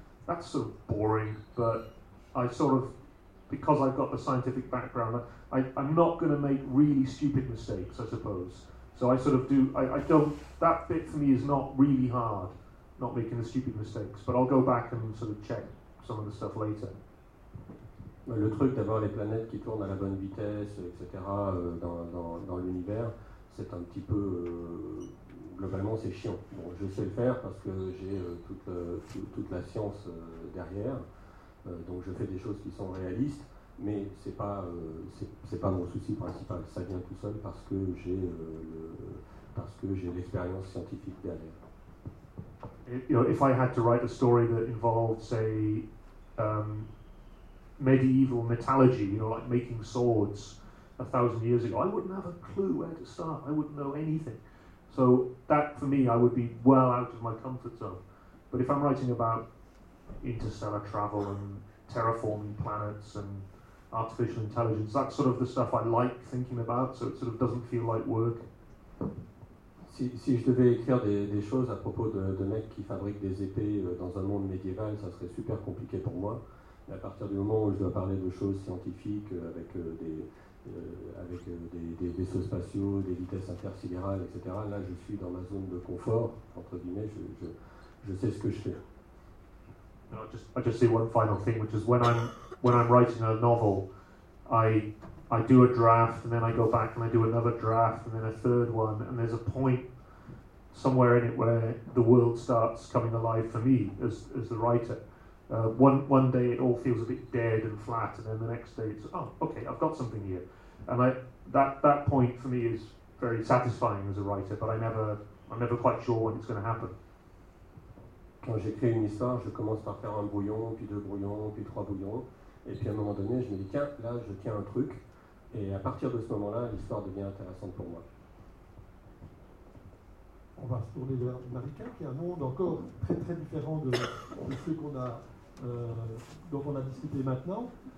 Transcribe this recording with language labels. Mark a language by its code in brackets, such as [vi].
[en] That's sort of boring, but I sort of, because I've got the scientific background, I'm not going to make really stupid mistakes, I suppose. So I sort of do, I don't, that bit for me is not really hard, not making the stupid mistakes, but I'll go back and sort of check some of the stuff later. [fr] Le truc d'avoir les planètes qui tournent à la bonne vitesse, etc., dans l'univers, c'est un petit peu... Globalement, c'est chiant. Bon, je sais le faire parce que j'ai toute la science derrière. Donc, je fais des choses qui sont réalistes, mais c'est pas mon souci principal. Ça vient tout seul parce que j'ai l'expérience scientifique derrière. [en] You know, if I had to write a story that involved, say, medieval metallurgy, you know, like making swords 1,000 years ago, I wouldn't have a clue where to start. I wouldn't know anything. So that, for me, I would be well out of my comfort zone. But if I'm writing about interstellar travel and terraforming planets and artificial intelligence, that's sort of the stuff I like thinking about, so it sort of doesn't feel like work. [fr] Si je devais écrire des choses à propos de mecs qui fabriquent des épées dans un monde médiéval, ça serait super compliqué pour moi. Mais à partir du moment où je dois parler de choses scientifiques avec des vaisseaux spatiaux, des vitesses intersidérales, etc. Là, je suis dans ma zone de confort, entre guillemets, je sais ce que je fais. [en] I just say one final thing, which is when I'm writing a novel, I do a draft, and then I go back and I do another draft, and then a third one, and there's a point somewhere in it where the world starts coming alive for me as the writer. One day it all feels a bit dead and flat, and then the next day it's, oh, okay, I've got something here. And that point for me is very satisfying as a writer, but I'm never quite sure when it's going to happen. [fr] Quand j'écris une histoire, je commence par faire un brouillon, puis deux brouillons, puis trois brouillons, et puis à un moment donné, je me dis, tiens, là, je tiens un truc, et à partir de ce moment-là, l'histoire devient intéressante pour moi. On va se tourner vers Marika, qui est un monde encore très très différent de ceux qu'on a, dont on a discuté maintenant.